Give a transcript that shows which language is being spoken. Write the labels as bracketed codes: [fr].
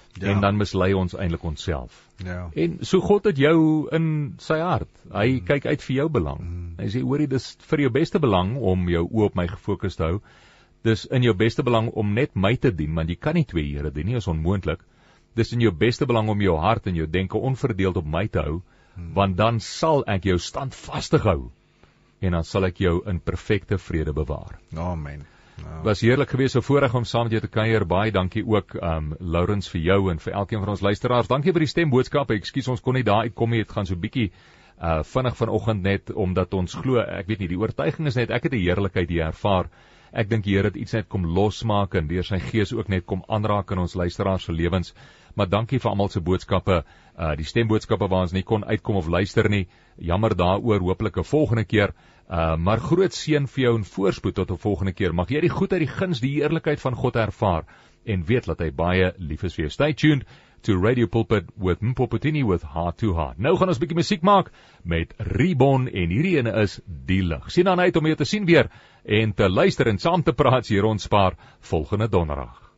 [af] En dan mislei ons eindelijk onszelf. Ja. En so God het jou in sy hart, hy kyk uit vir jou belang. Hy sê, hoorie, dis vir jou beste belang om jou oog op my gefokus te hou, dis in jou beste belang om net my te dien, want jy kan nie twee Here dien nie, is onmoontlik. Dis in jou beste belang om jou hart en jou denke onverdeeld op my te hou, want dan sal ek jou standvastig hou, en dan sal ek jou in perfekte vrede bewaar. Amen. Nou. Was heerlik geweest, so voorreg om saam met jou te kuier, baie dankie ook, Laurens, vir jou en vir elkeen van ons luisteraars, dankie vir die stemboodskap, ekskuus, ons kon nie daar uitkom nie, het gaan so bykie vinnig vanochtend net, omdat ons glo, ek weet nie, die oortuiging is net, ek het die heerlikheid die ervaar, ek dink die Heer het iets net kom losmaak en deur sy gees ook net kom aanraak in ons luisteraars se lewens, maar dankie vir almal se boodskappe, die stemboodskappe waar ons nie kon uitkom of luister nie, jammer daar oor, hopelik een volgende keer, maar groot seën vir jou en voorspoed tot de volgende keer. Mag jy die goed uit die guns, die eerlikheid van God ervaar en weet dat hy baie lief is vir jou. [en] Stay tuned to Radio Pulpit with Mpopotini with Heart to Heart. [af] Nou gaan ons bietjie musiek maak met Reborn en hierdie ene is Die Lig. Sien aan uit om jou te sien weer en te luister en saam te praat hier ons paar volgende donderdag.